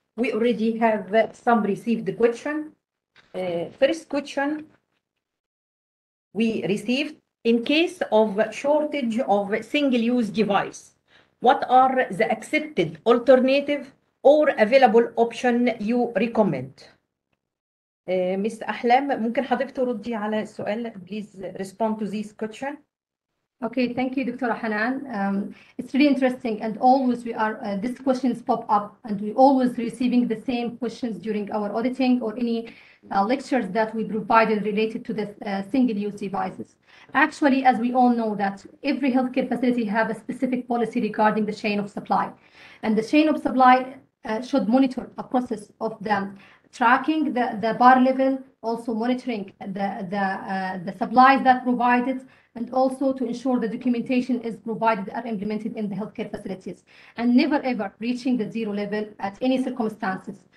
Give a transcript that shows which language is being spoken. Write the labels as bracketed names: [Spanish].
[English] We already have some received question. First question we received: in case of shortage of single-use device, what are the accepted alternative or available option you recommend? Ms. [Arabic] Ahlam, ممكن حضرتك تردي على السؤال. [English] Please respond to this question. Okay, thank you, Dr. Hanan. It's really interesting, and always we are these questions pop up, and we always receiving the same questions during our auditing or any lectures that we provided related to the single-use devices. Actually, as we all know, that every healthcare facility have a specific policy regarding the chain of supply, and the chain of supply should monitor a process of them tracking the bar level, also monitoring the supplies that provided, and also to ensure the documentation is provided and implemented in the healthcare facilities, and never ever reaching the zero level at any circumstances.